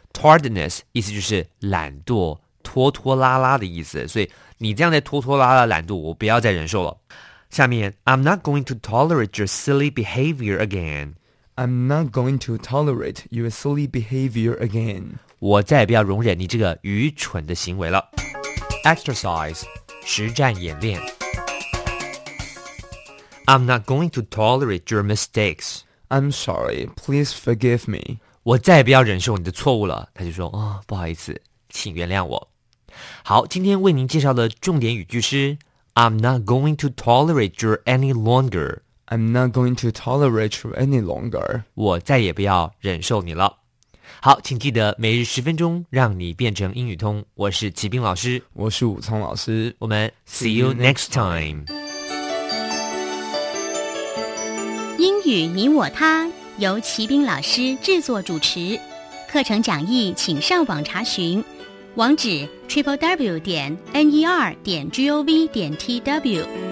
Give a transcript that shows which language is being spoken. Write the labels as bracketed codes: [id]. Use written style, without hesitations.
[zh] tardiness 意思就是懒惰拖拖拉拉的意思所以你这样在拖拖拉拉懒惰我不要再忍受了下面 [en] I'm not going to tolerate your silly behavior again I'm not going to tolerate your silly behavior again. [zh] 我再也不要容忍你这个愚蠢的行为了。 Exercise, 实战演练。 [en] I'm not going to tolerate your mistakes. I'm sorry, please forgive me. [zh] 我再也不要忍受你的错误了。他就说，不好意思，请原谅我。好，今天为您介绍的重点语句是 [en] I'm not going to tolerate your any longer. I'm not going to tolerate you any longer. [zh] 我再也不要忍受你了。好，请记得每日十分钟，让你变成英语通。我是齐斌老师，我是武聪老师。 [en] 我们 see you next time. [zh] 英语你我他由齐斌老师制作主持，课程讲义请上网查询，网址 www.ner.gov.tw。